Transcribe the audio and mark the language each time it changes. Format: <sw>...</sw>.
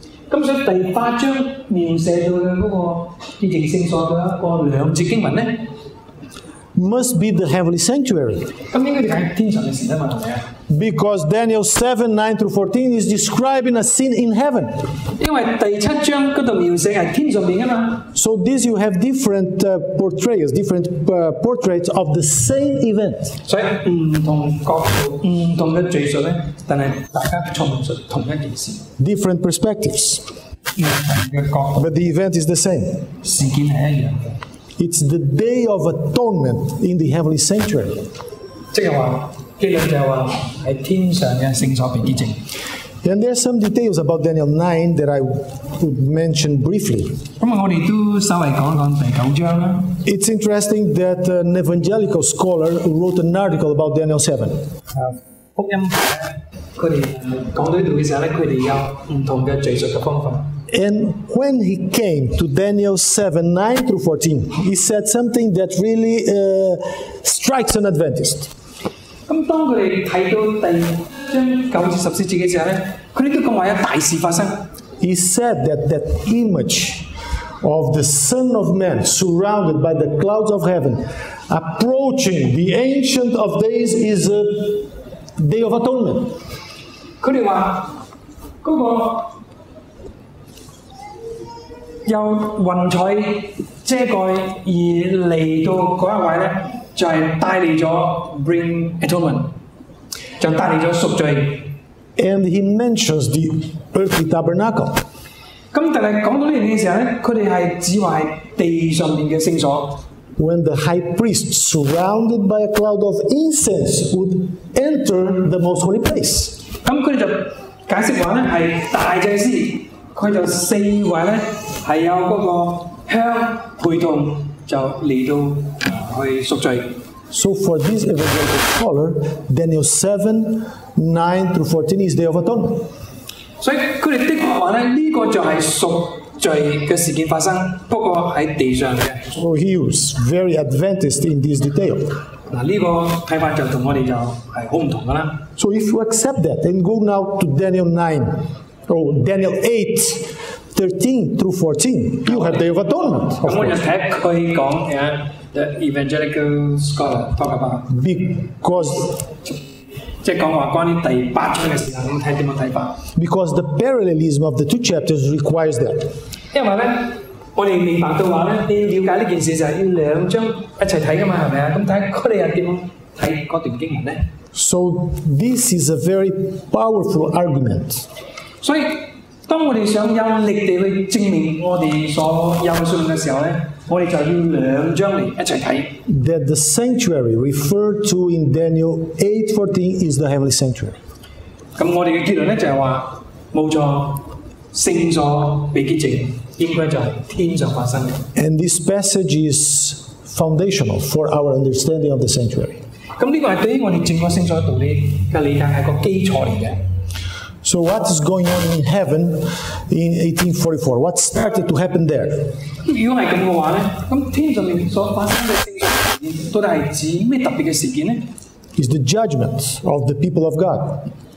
<yue>咁所以第八章描写到嘅嗰个洁净圣所嘅一个两节经文咧</yue> <en>，must be the heavenly sanctuary。</en> <yue>咁应该系天上嘅事啊嘛，系咪啊</yue> <en>？Because Daniel 7:9-14 is describing a scene in heaven。</en> <yue>因为第七章嗰度描写系天上边啊嘛。</yue> <en>So this you have different portrayals, different portraits of the same event。</en> <yue>所以唔同角度、唔同嘅叙述咧，但系大家重述同一件事。</yue> <en>Different perspectives, but the event is the same.</en> <yue>事件系一样嘅。</yue> <en>It's the day of atonement in the heavenly sanctuary.</en> <yue>即系话，结论就系话喺天上嘅圣所被洁净。</yue> <en>And there are some details about Daniel 9 that I would mention briefly.</en> <yue>咁我哋都稍微讲讲第九章啦。</yue> <en>It's interesting that an evangelical scholar wrote an article about Daniel 7.</en> <yue>福音佢哋讲到呢度嘅时候咧，佢哋有唔同嘅叙述嘅方法。</yue> <en>And when he came to Daniel 7:9-14, he said something that really strikes an Adventist.</en> <yue>咁当佢哋睇到第九至十四节嘅时候咧，佢哋都讲话有大事发生。</yue> <en>He said that image of the Son of Man surrounded by the clouds of heaven approaching the Ancient of Days is a Day of Atonement.</en> <yue>佢哋话嗰个有云彩遮盖而嚟到嗰一位咧，就系带嚟咗</yue> <en>Bring Atonement，</en> <yue>就带嚟咗赎罪。</yue> <en>And he mentions the earthly tabernacle.</en> <yue>咁但系讲到呢样嘢嘅时候咧，佢哋系指话系地上面嘅圣所。</yue> <en>When the high priest, surrounded by a cloud of incense, would enter the most holy place.</en> <yue>咁佢就解释话咧系大祭司，佢就四位咧系有嗰个香陪同，就嚟到去赎罪。</yue> <en>So for this evangelical scholar, Daniel 7:9-14 is Day of Atonement.</en> <yue>所以佢哋的确话咧呢个就系赎。罪嘅事件发生，不过喺地上嘅。</yue> <en>So he was very Adventist in this detail.</en> <yue>嗱，呢个睇法就同我哋就系好唔同噶啦。</yue> <en>So if you accept that, then go now to Daniel 9, or Daniel 8:13-14. You have Day of Atonement.</en> <yue>咁我就睇佢讲嘅</yue> <en>The Evangelical Scholar talk about. Because</en> <yue>即係講話關於第八章嘅時候，咁睇點樣睇法</yue> <en>？Because the parallelism of the two chapters requires that。</en> <yue>因為咧，我哋明白到話咧，你要瞭解呢件事就係要兩章一齊睇噶嘛，係咪啊？咁睇佢哋又點樣睇嗰段經文咧</yue> <en>？So this is a very powerful argument。</en> <yue>所以當我哋想有力地去證明我哋所有信嘅時候咧。我哋就要兩章嚟一齊睇。</yue> <en>That the sanctuary referred to in Daniel 8:14 is the heavenly sanctuary。</en> <yue>咁我哋嘅結論咧就係話，冇錯，聖所被潔淨，應該就係天上發生嘅。</yue> <en>And this passage is foundational for our understanding of the sanctuary。</en> <yue>咁呢個係對於我哋整個聖所道理嘅理解係個基礎嚟嘅。</yue> <en>So what is going on in heaven in 1844? What started to happen there?</en> <yue>如果係咁嘅話咧，咁天上面所發生嘅聖所事件，都係指咩特別嘅事件咧</yue> <en>？Is the judgment of the people of God?</en>